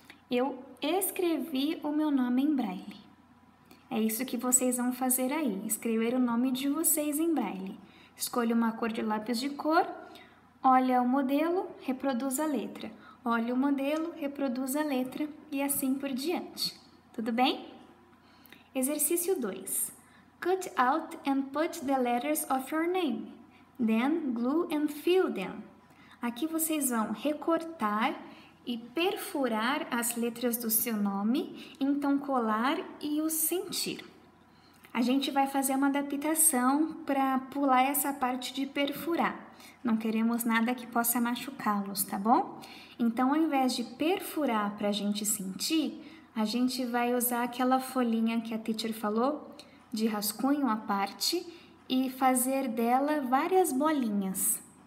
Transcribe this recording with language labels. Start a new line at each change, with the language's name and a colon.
Portuguese: Eu escrevi o meu nome em Braille. É isso que vocês vão fazer aí, escrever o nome de vocês em Braille. Escolha uma cor de lápis de cor, olha o modelo, reproduz a letra. Olha o modelo, reproduz a letra e assim por diante. Tudo bem? Exercício 2.
English: Cut out and put the letters of your name. Then, glue and fill them.
Portuguese: Aqui vocês vão recortar e perfurar as letras do seu nome, então colar e o sentir. A gente vai fazer uma adaptação para pular essa parte de perfurar. Não queremos nada que possa machucá-los, tá bom? Então, ao invés de perfurar para a gente sentir, a gente vai usar aquela folhinha que a teacher falou, de rascunho à parte, e fazer dela várias bolinhas.